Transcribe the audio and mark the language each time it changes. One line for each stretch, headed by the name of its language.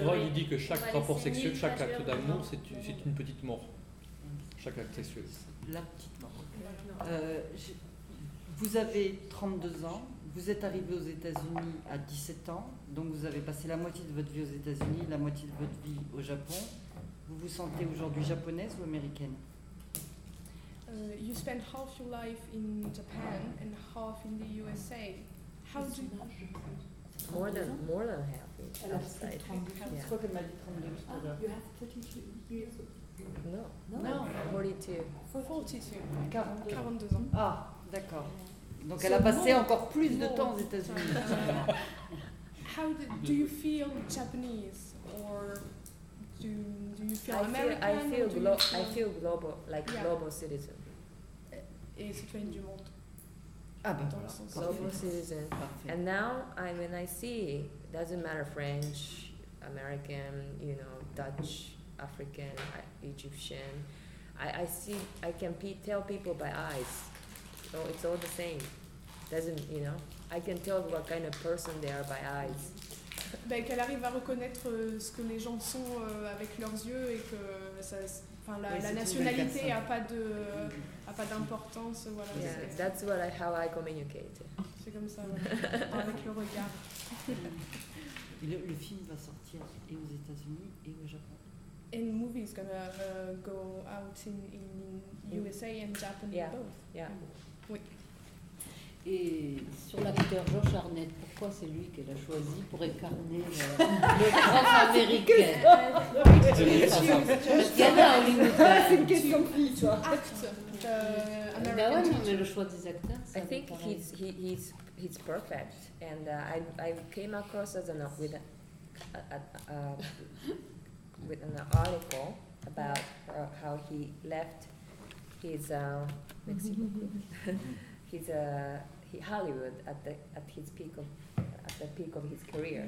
French: Freud il dit que chaque rapport sexuel, chaque acte d'amour, c'est une petite mort. Chaque acte sexuel. La petite mort. Vous avez 32 ans, vous êtes arrivé aux États-Unis à 17 ans, donc vous avez passé la moitié de votre vie aux États-Unis, la moitié de votre vie au Japon. Vous vous sentez aujourd'hui japonaise ou américaine?
English: You spend half your life in Japan and half in the USA. How do you? More than half.
French: Alors, c'est 32. Je crois qu'elle m'a dit 32.
English: You have 32 years. No.
French: 42 ans. Ah, d'accord. Donc, elle a passé encore plus de temps aux États-Unis.
English: How do you feel Japanese? Or do you feel American? I feel global, like global citizen.
French: Et citoyenne du monde. Ah, ben
English: global citizen.
French: Parfait.
English: And now, when I see, doesn't matter French, American, you know, Dutch, African, Egyptian, I see, I can tell people by eyes. So it's all the same. Doesn't, you know, I can tell what kind of person they are by eyes.
French: Ben, qu'elle arrive à reconnaître ce que les gens sont avec leurs yeux et que ça. Enfin, la nationalité a pas d'importance, voilà.
English: Yeah, that's what how I communicate.
French: C'est comme ça, voilà. Avec le regard. Le film va sortir et aux États-Unis et au Japon.
English: And the movie is gonna go out in USA and Japan, yeah. Both. Yeah.
French: Oui. Et sur l'acteur Josh Arnett, pourquoi c'est lui qu'elle a choisi pour incarner le grand américain?
English: I think he's perfect, and I came across with an article about how he left his Mexico, Hollywood at the peak of his career.